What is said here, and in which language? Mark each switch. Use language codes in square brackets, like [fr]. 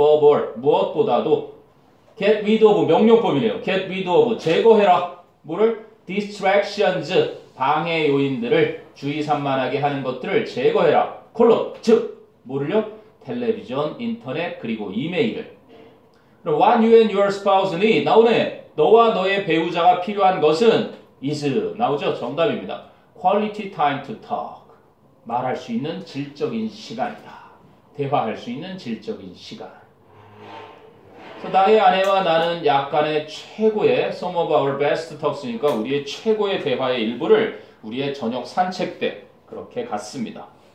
[en] above all [ko] 무엇보다도 [en] get rid of [ko] 명령법이네요. [en] get rid of [ko] 제거해라. 뭐를? distractions 방해 요인들을 주의 산만하게 하는 것들을 제거해라. 콜론 즉 뭐를요? 텔레비전, 인터넷 그리고 이메일을. [en] 그럼 what you and your spouse need 나오네. [ko] 너와 너의 배우자가 필요한 것은 is 나오죠? 정답입니다. [en] quality time to talk. [ko] 말할 수 있는 질적인 시간이다. 대화할 수 있는 질적인 시간. So 나의 아내와 나는 약간의 최고의 [en] some of our best talks [ko] 니까 우리의 최고의 대화의 일부를 우리의 저녁 산책 때 그렇게 갔습니다.